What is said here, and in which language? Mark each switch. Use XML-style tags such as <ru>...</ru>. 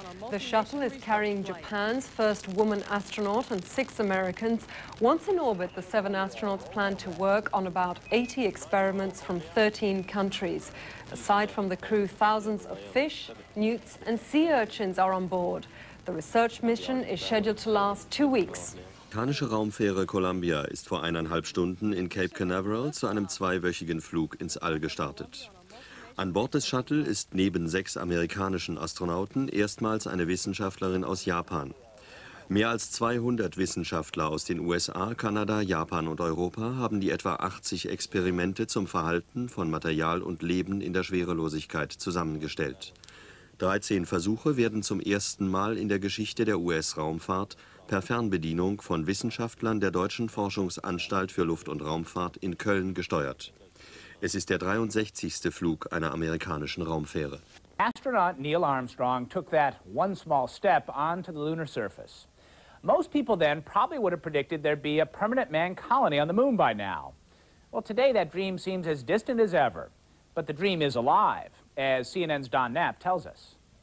<en>The shuttle is carrying Japan's first woman astronaut and six Americans. Once in orbit, the seven astronauts plan to work on about 80 experiments from 13 countries. Aside from the crew, thousands of fish, newts, and sea urchins are on board. The research mission is scheduled to last 2 weeks.</en> <de>Die amerikanische Raumfähre Columbia ist vor eineinhalb Stunden in Cape Canaveral zu einem zweiwöchigen Flug ins All gestartet. An Bord des Shuttle ist neben sechs amerikanischen Astronauten erstmals eine Wissenschaftlerin aus Japan. Mehr als 200 Wissenschaftler aus den USA, Kanada, Japan und Europa haben die etwa 80 Experimente zum Verhalten von Material und Leben in der Schwerelosigkeit zusammengestellt. 13 Versuche werden zum ersten Mal in der Geschichte der US-Raumfahrt per Fernbedienung von Wissenschaftlern der Deutschen Forschungsanstalt für Luft- und Raumfahrt in Köln gesteuert. Es ist der 63. Flug einer amerikanischen Raumfähre.</de> <en>Astronaut Neil Armstrong took that one small step onto the lunar surface. Most people then probably would have predicted there'd be a permanent man colony on the moon by now. Well, today that dream seems as distant as ever, but the dream is alive, as CNN's Don Knapp tells us.</en>